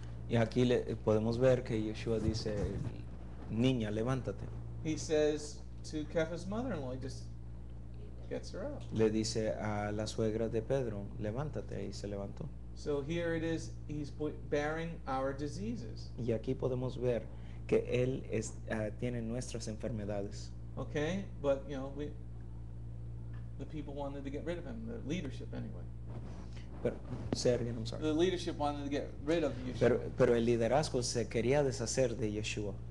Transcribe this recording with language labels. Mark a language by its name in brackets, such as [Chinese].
[Spanish] Y aquí le podemos ver que Yeshua dice, niña, levántate. [English] He says to Kepha's mother-in-law, he just gets her up. [Spanish] Le dice a la suegra de Pedro, levántate, y se levantó. [English] So here it is, he's bearing our diseases. [Spanish] Y aquí podemos ver que él es, tiene nuestras enfermedades. [English] Okay, but you know, the people wanted to get rid of him, the leadership anyway. The leadership wanted to get rid of Yeshua. [Spanish] Pero el liderazgo se quería deshacer de Yeshua.